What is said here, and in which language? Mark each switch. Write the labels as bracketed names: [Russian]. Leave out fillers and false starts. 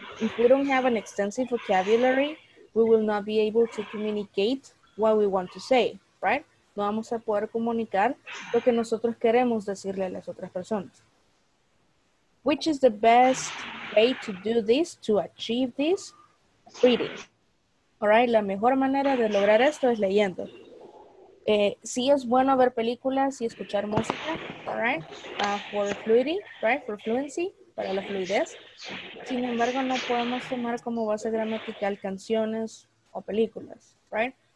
[English] If we don't have an extensive vocabulary, we will not be able to communicate what we want to say, right? [Spanish] No vamos a poder comunicar lo que nosotros queremos decirle a las otras personas. [English] Which is the best way to do this, to achieve this? Reading. All right, [Spanish] la mejor manera de lograr esto es leyendo. Sí es bueno ver películas y escuchar música, [English] all right? For fluidity, right? For fluency, [Spanish] para la fluidez. Sin embargo, no podemos tomar como base gramatical canciones o películas, right?